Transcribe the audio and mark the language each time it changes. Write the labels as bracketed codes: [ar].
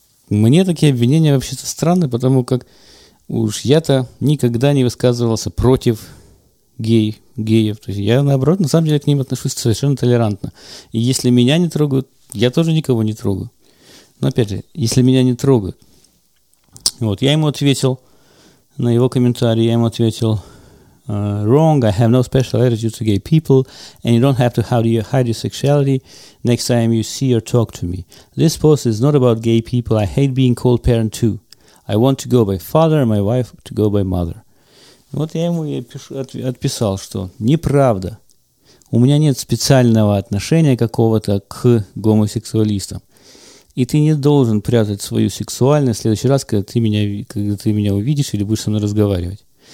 [ru] Мне такие обвинения вообще-то странны, потому как уж я-то никогда не высказывался против геев. То есть я, наоборот, на самом деле к ним отношусь совершенно толерантно. И если меня не трогают, я тоже никого не трогаю. Но опять же, если меня не трогают... Вот, я ему ответил на его комментарий, я ему ответил... [en] Wrong, I have no special attitude to gay people, and you don't have to hide your sexuality next time you see or talk to me. This post is not about gay people, I hate being called parent too. I want to go by father and my wife to go by mother. [ru] Вот я ему отписал, что неправда, у меня нет специального отношения какого-то к гомосексуалистам. И ты не должен прятать свою сексуальность в следующий раз, когда ты меня увидишь или будешь со мной разговаривать.